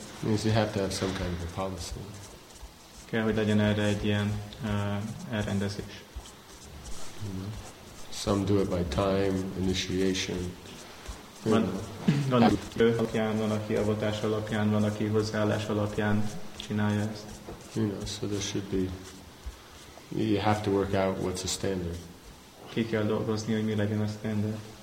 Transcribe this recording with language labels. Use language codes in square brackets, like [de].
[en] Means you have to have some kind of a policy. [hu] Kell, hogy legyen erre egy ilyen elrendezés. [en] Some do it by time, initiation. [hu] Van aki ő alapján, van aki avatás alapján, van aki hozzáállás alapján csinálja ezt. [en] You know, so there should be, you have to work out what's a standard. [hu] Ki kell dolgozni, hogy mi legyen a standard.